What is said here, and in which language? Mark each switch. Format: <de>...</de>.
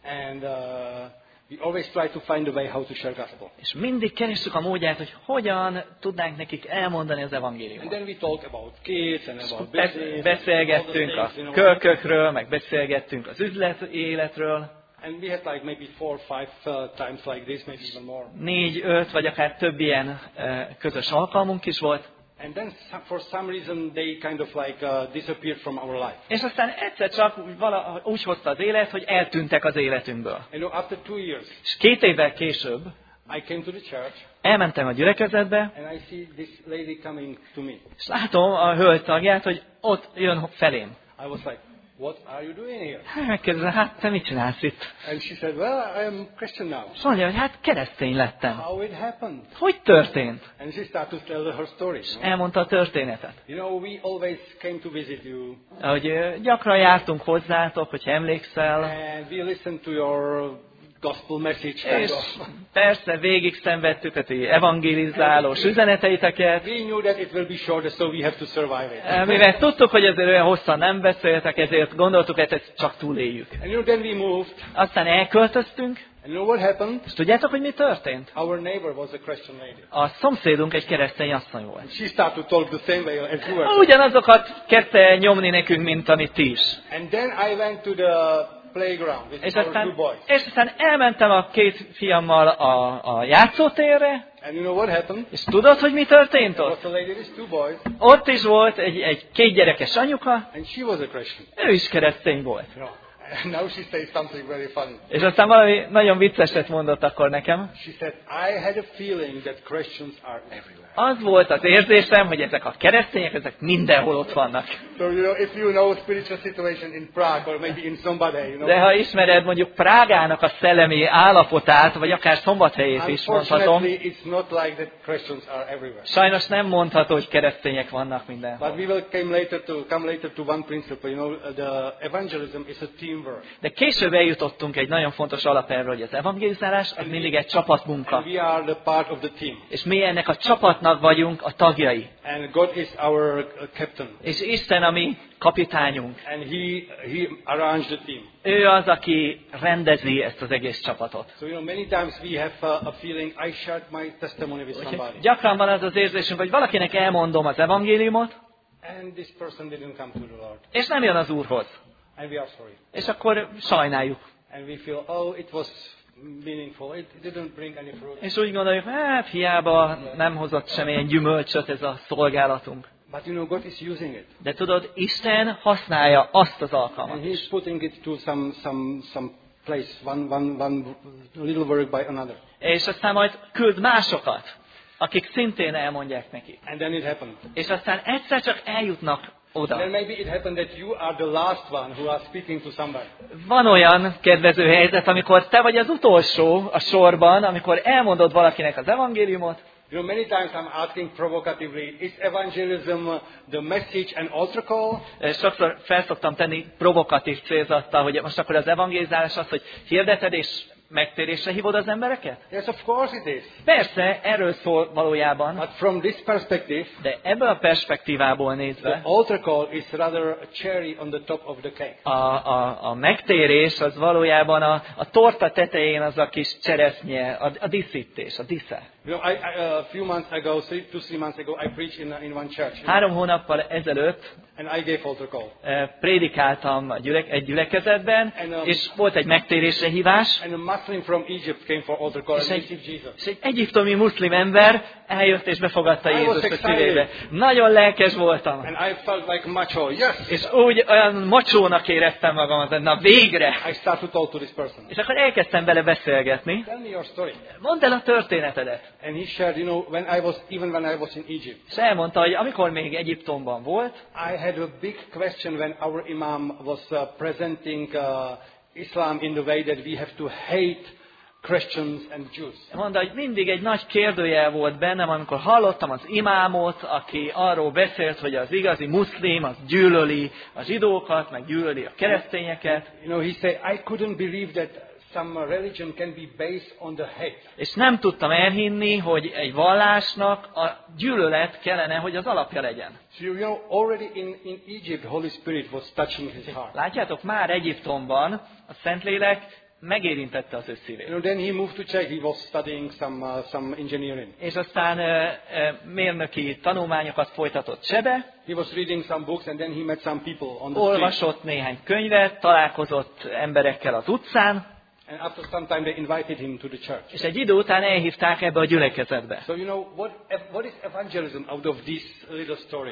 <en>And we always try to find a way how to share gospel.</en> <hu>És mindig keressük a módját, hogy hogyan tudnánk nekik elmondani az evangéliumot.</hu> <en>And then we talk about kids and about business.</en> <hu>Beszélgettünk a kölkökről, meg beszélgettünk az üzlet életről.</hu> <en>And we had like maybe 4-5 times like this, maybe even more.</en> <hu>4-5 vagy akár több ilyen közös alkalmunk is volt.</hu> <en>And then for some reason they kind of like disappeared from our life.</en> <hu>És aztán egyszer csak úgy hozta az élet, hogy eltűntek az életünkből.</hu> <en>You know, after 2 years.</en> <hu>És 2 évvel később.</hu> <en>I came to the church.</en> <hu>Elmentem a gyülekezetbe.</hu> <en>And I see this lady coming to me.</en> <hu>És látom a hölgy tagját, hogy ott jön felém.</hu> <en>I was like, what are you doing here?</en> <hu>Megkérdezem, hát te mit csinálsz itt?</hu> <en>And she said, well, I am Christian now.</en> <hu>És mondja, hogy hát keresztény lettem.</hu> <en>How it happened?</en> <hu>Hogy történt?</hu> <en>And she started to tell her story.</en> <hu>És elmondta a történetet.</hu> <en>You know, we always came to visit you.</en> <hu>Hogy gyakran jártunk hozzátok, hogy emlékszel.</hu> <en>And we listened to your gospel message.</en> <hu>És persze végig szenvedtük a ti evangelizálós üzeneteiteket.</hu> <en>We knew that it will be short, so we have to survive it.</en> <hu>Mivel tudtuk, hogy ezért olyan hosszan nem beszéltek, ezért gondoltuk, hogy ezt csak túléljük.</hu> <en>And you know, then we moved.</en> <hu>Aztán elköltöztünk.</hu> <en>And you know what happened?</en> <hu>És tudjátok, hogy mi történt?</hu> <en>Our neighbor was a Christian lady.</en> <hu>A szomszédunk egy keresztény asszony volt.</hu> <en>She started to talk the same way as you were.</en> <hu>Ugyanazokat kezdte nyomni nekünk, mint amit ti is.</hu> <en>And then I went to the playground with our two boys.</en> <hu>És aztán elmentem a két fiammal a játszótérre.</hu> <en>And you know what happened?</en> <hu>És tudod, hogy mi történt ott?</hu> <en>There was a lady with two boys.</en> <hu>Ott is volt egy két gyerekes anyuka.</hu> <en>And she was a Christian.</en> <hu>Ő is keresztény volt.</hu> <en>No. Now she says something very funny.</en> <hu>És aztán valami nagyon vicceset mondott akkor nekem.</hu> <en>She said, I had a feeling that Christians are everywhere.</en> <hu>Az volt az érzésem, hogy ezek a keresztények, ezek mindenhol ott vannak.</hu> <en>So you know, if you know spiritual situation in Prague or maybe in Szombathely, you know.</en> <hu>De ha ismered mondjuk Prágának a szellemi állapotát, vagy akár Szombathelyét is mondhatom.</hu> <en>Unfortunately, it's not like that Christians are everywhere.</en> <hu>Sajnos nem mondható, hogy keresztények vannak mindenhol.</hu> <en>But we will come later to one principle, you know, the evangelism is a team.</en> <hu>De később eljutottunk egy nagyon fontos alapelvre, hogy az evangelizálás az mindig egy csapatmunka.</hu> <en>We are the part of the team.</en> <hu>És mi ennek a csapatnak vagyunk a tagjai.</hu> <en>And God is our captain.</en> <hu>És Isten a mi kapitányunk.</hu> <en>And he arranged the team.</en> <hu>Ő az, aki rendezi ezt az egész csapatot.</hu> <en>So you know, many times we have a feeling I shared my testimony with somebody.</en> <hu>Gyakran van az az érzésünk, hogy valakinek elmondom az evangéliumot.</hu> <en>And this person didn't come to the Lord.</en> <hu>És nem jön az Úrhoz.</hu> <en>And we are sorry.</en> <hu>És akkor sajnáljuk.</hu> <en>And we feel, oh, it was meaningful. It didn't bring any fruit.</en> <hu>És úgy gondoljuk, hiába nem hozott semmilyen gyümölcsöt ez a szolgálatunk.</hu> <en>But you know, God is using it.</en> <hu>De tudod, Isten használja azt az alkalmat.</hu> <en>And he's putting it to some place, one little work by another.</en> <hu>És aztán majd küld másokat, akik szintén elmondják neki.</hu> <en>And then it happened.</en> <hu>És aztán egyszer csak eljutnak.</hu> <en>Then maybe it happened that you are the last one who are speaking to somebody.</en> <hu>Van olyan kedvező helyzet, amikor te vagy az utolsó a sorban, amikor elmondod valakinek az evangéliumot.</hu> <en>You know, many times I'm asking provocatively, is evangelism the message and altar call?</en> <hu>Sokszor felszoktam tenni provokatív célzattal, hogy most akkor az evangelizálás az, hogy hirdeted és megtérésre hívod az embereket?</hu> <en>Yes, of course it is.</en> <hu>Persze, erről szól valójában.</hu> <en>But from this perspective,</en> <hu>de ebből a perspektívából nézve,</hu> <en>the altar call is rather a cherry on the top of the cake.</en> <hu>A megtérés az valójában a torta tetején az a kis cseresznye, a díszítés, a dísze.</hu> <en>You know, a few months ago, two, three months ago, I preached in one church.</en> <hu>Három hónappal ezelőtt.</hu> <en>And I gave altar call.</en> <hu>Prédikáltam egy gyülekezetben, és volt egy megtérésre hívás.</hu> <en>And a Muslim from Egypt came for altar call and received Jesus.</en> <hu>És egy egyiptomi muszlim ember eljött és befogadta Jézust a szívébe. Nagyon lelkes voltam.</hu> <en>And I felt like macho. Yes.</en> <hu>És úgy olyan macsónak éreztem magam, hogy na végre.</hu> <en>I started to talk to this person.</en> <hu>És akkor elkezdtem vele beszélgetni.</hu> <en>Tell me your story.</en> <hu>Mondd el a történetedet.</hu> <en>And he shared, you know, when I was in Egypt.</en> <hu>És elmondta, hogy amikor még Egyiptomban volt.</hu> <en>I had a big question when our imam was presenting Islam in the way that we have to hate Christians and Jews.</en> <hu>Mondta, hogy mindig egy nagy kérdőjel volt bennem, amikor hallottam az imámot, aki arról beszélt, hogy az igazi muszlim az gyűlöli a zsidókat, meg gyűlöli a keresztényeket.</hu> <en>You know, he said, I couldn't believe that some religion can be based on the hate.</en> <hu>És nem tudtam elhinni, hogy egy vallásnak a gyűlölet kellene, hogy az alapja legyen.</hu> <en>So you know, already in Egypt, Holy Spirit was touching his heart.</en> <hu>Látjátok, már Egyiptomban a Szentlélek megérintette az ő szívét.</hu> <en>You know, then he moved to Czech. He was studying some engineering.</en> <hu>És aztán mérnöki tanulmányokat folytatott Csebe.</hu> <en>He was reading some books and then he met some people on the street.</en> <hu>Olvasott néhány könyvet, találkozott emberekkel az utcán.</hu> <en>And after some time they invited him to the church.</en> <hu>És egy idő után elhívták ebbe a gyülekezetbe.</hu> <en>So you know what is evangelism out of this little story?</en>